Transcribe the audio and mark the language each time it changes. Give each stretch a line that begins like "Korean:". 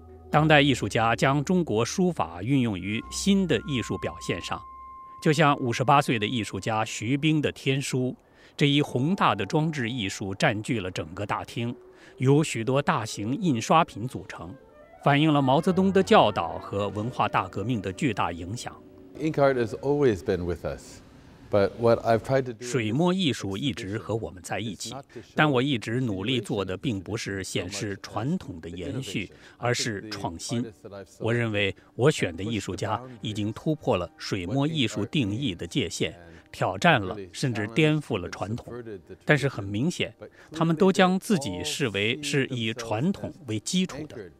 Chinese: 当代艺术家将中国书法运用于新的艺术表现上，就像58岁的艺术家徐冰的《天书》，这一宏大的装置艺术占据了整个大厅，由许多大型印刷品组成，反映了毛泽东的教导和文化大革命的巨大影响。
English: Ink art has always been with us.
Chinese: 水墨艺术一直和我们在一起，但我一直努力做的并不是显示传统的延续，而是创新。我认为我选的艺术家已经突破了水墨艺术定义的界限，挑战了甚至颠覆了传统，但是很明显，他们都将自己视为是以传统为基础的。